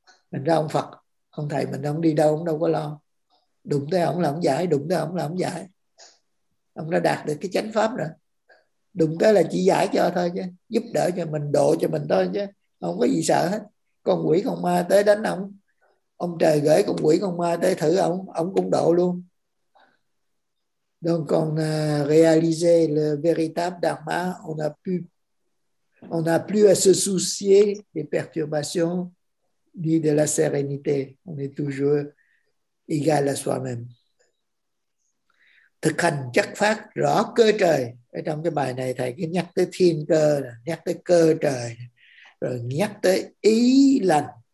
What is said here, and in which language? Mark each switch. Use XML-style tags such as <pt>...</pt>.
<vi>Mình ra ông Phật, ông thầy mình không đi đâu cũng đâu có lo, đụng tới ông là ông giải, đụng tới ông là ông giải, ông đã đạt được cái chánh pháp rồi. Đụng tới là chỉ giải cho thôi chứ, giúp đỡ cho mình, độ cho mình thôi chứ không có gì sợ hết. Con quỷ con ma tới đánh ông, ông trời gửi con quỷ con ma tới thử ông, ông cũng độ luôn.</vi> <fr>Donc on a réalisé le véritable dharma, on a plus à se soucier des perturbations ni de la sérénité, on est toujours égal à soi-même.</fr> <vi>Thực hành chất phát rõ cơ trời. Ở trong cái bài này thầy cứ nhắc tới thiên cơ, nhắc tới cơ trời, rồi nhắc tới ý lành.</vi>